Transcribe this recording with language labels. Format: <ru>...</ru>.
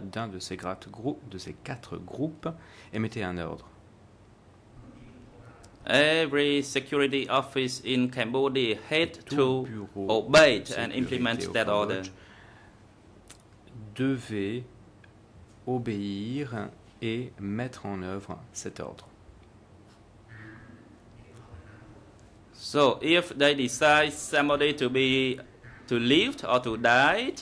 <fr>d'un de ces quatre groupes, émettait un ordre.</fr> <en>Every security office in Cambodia had to obey and implement that order.</en> <fr>Devait obéir et mettre en œuvre cet ordre.</fr> <en>So, if they decide somebody to live or to die,</en>